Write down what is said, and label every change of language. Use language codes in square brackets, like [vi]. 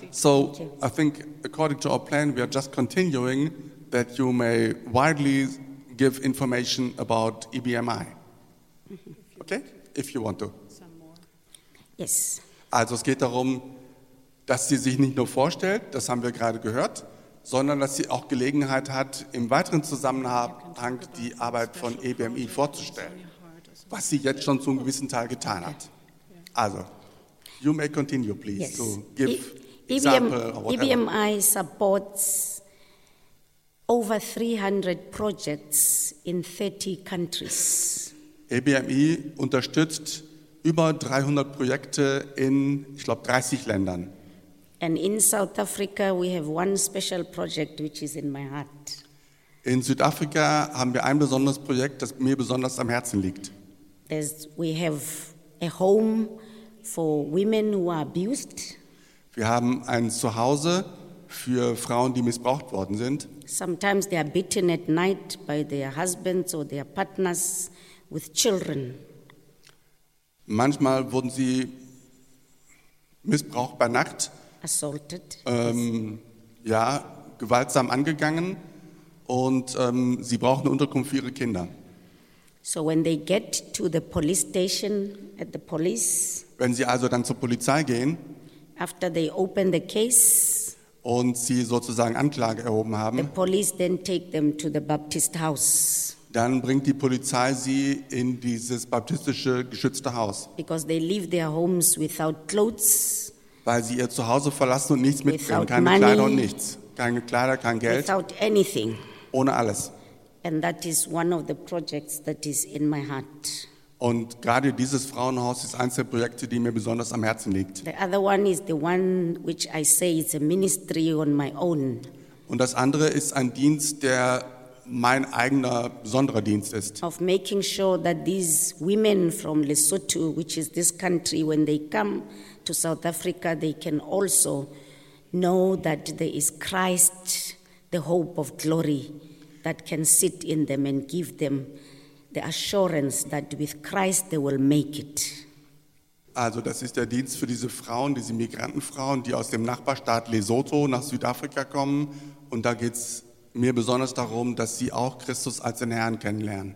[en] So, I think according to our plan, we are just continuing that you may widely give information about EBMI. Okay? If you want to. Yes. [de] Also es geht darum, dass sie sich nicht nur vorstellt, das haben wir gerade gehört, sondern dass sie auch Gelegenheit hat, im weiteren Zusammenhang die Arbeit von EBMI vorzustellen, was sie jetzt schon zum gewissen Teil getan hat. [en] Also, you may continue, please, yes, to give example. EBMI supports over 300 projects in 30 countries. [de] EBMI unterstützt über 300 Projekte in, ich glaube, 30 Ländern. [en] And in South Africa, we have one special project, which is in my heart. [de] In Südafrika haben wir ein besonderes Projekt, das mir besonders am Herzen liegt. [en] We have a home for women who are abused. [de] Wir haben ein Zuhause für Frauen, die missbraucht worden sind. [en] Sometimes they are beaten at night by their husbands or their partners with children. [de] Manchmal wurden sie missbraucht bei Nacht. [en] Assaulted. [de] Ja, gewaltsam angegangen und sie brauchen eine Unterkunft für ihre Kinder. [en] So when they get to the police station at the police, [de] wenn sie also dann zur Polizei gehen, [en] after they open the case, [de] und sie sozusagen Anklage erhoben haben, [en] the police then take them to the Baptist house. [de] Dann bringt die Polizei sie in dieses baptistische geschützte Haus. [en] Because they leave their homes without clothes, [de] weil sie ihr Zuhause verlassen und nichts mitbringen, keine money, Kleider und nichts, keine Kleider, kein Geld, [en] without anything, [de] ohne alles. [en] And that is one of the projects that is in my heart. [de] Und gerade dieses Frauenhaus ist eines der Projekte, die mir besonders am Herzen liegt. [en] The other one is the one which I say is a ministry on my own. [de] Und das andere ist ein Dienst, der mein eigener besonderer Dienst ist. [en] Of making sure that these women from Lesotho, which is this country, when they come to South Africa, they can also know that there is Christ, the hope of glory, that can sit in them and give them the assurance that with Christ they will make it. [de] Also das ist der Dienst für diese Frauen, diese Migrantenfrauen, die aus dem Nachbarstaat Lesotho nach Südafrika kommen. Und da geht es mir besonders darum, dass sie auch Christus als den Herrn kennenlernen.